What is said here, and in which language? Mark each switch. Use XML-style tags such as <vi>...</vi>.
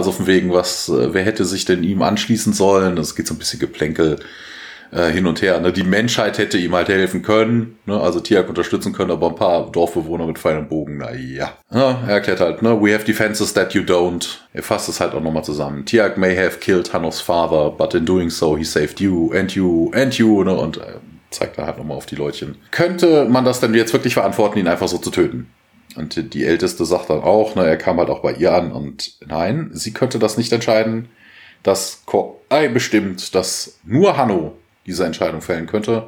<de>Also von wegen, was, wer hätte sich denn ihm anschließen sollen? Es geht so ein bisschen Geplänkel hin und her. Ne? Die Menschheit hätte ihm halt helfen können, ne? Also Tiak unterstützen können, aber ein paar Dorfbewohner mit feinem Bogen, naja. Ne? Er erklärt halt, ne,</de> <en>we have defenses that you don't.</en> <de>Er fasst es halt auch nochmal zusammen.</de> <en>Tiak may have killed Hanno's father, but in doing so he saved you and you and you, ne?</en> <de>Und zeigt da halt nochmal auf die Leutchen. Könnte man das denn jetzt wirklich verantworten, ihn einfach so zu töten? Und die Älteste sagt dann auch, ne, er kam halt auch bei ihr an und nein, sie könnte das nicht entscheiden. Das Ko'ai bestimmt, dass nur Hanno diese Entscheidung fällen könnte.</de>